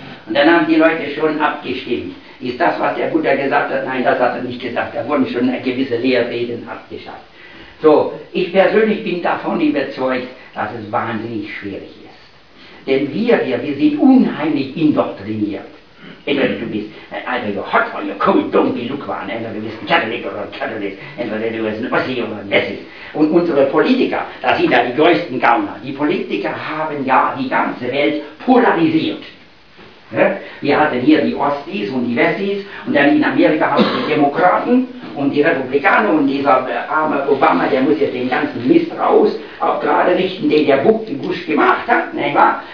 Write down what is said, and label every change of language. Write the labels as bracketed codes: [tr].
[de] Und dann haben die Leute schon abgestimmt. Ist das, was der Buddha gesagt hat? Nein, das hat er nicht gesagt. Da wurden schon gewisse Lehrreden abgeschafft. So, ich persönlich bin davon überzeugt, dass es wahnsinnig schwierig ist. Denn wir hier, wir sind unheimlich indoktriniert. Entweder du bist [en] either you're hot or you're cold, don't be lukewarm. [de] Entweder du bist ein Katholik oder ein Katholik. Entweder du bist ein Ossi oder ein Messi. Und unsere Politiker, das sind ja die größten Gauner. Die Politiker haben ja die ganze Welt polarisiert. Wir hatten hier die Ostis und die Westis und dann in Amerika haben wir die Demokraten und die Republikaner und dieser arme Obama, der muss jetzt den ganzen Mist raus, auch gerade richten, den der Bush gemacht hat, nicht wahr?